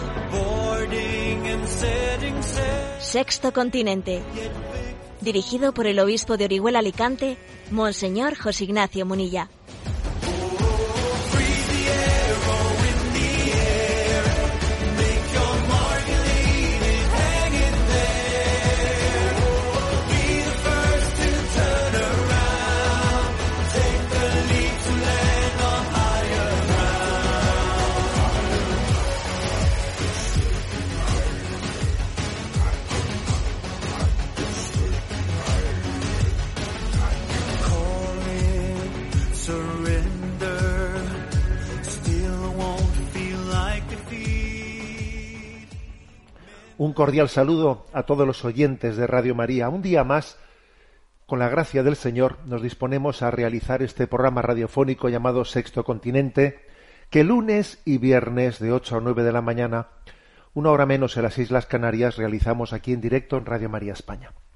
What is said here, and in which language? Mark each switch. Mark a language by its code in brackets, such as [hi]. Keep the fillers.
[en] Boarding and setting sail. [es] Sexto Continente. Dirigido por el obispo de Orihuela Alicante, Monseñor José Ignacio Munilla. [en] Call it surrender, still won't feel like defeat. [es] Un cordial saludo a todos los oyentes de Radio María. Un día más, con la gracia del Señor, nos disponemos a realizar este programa radiofónico llamado Sexto Continente, que lunes y viernes de 8 a 9 de la mañana, una hora menos en las Islas Canarias, realizamos aquí en directo en Radio María España.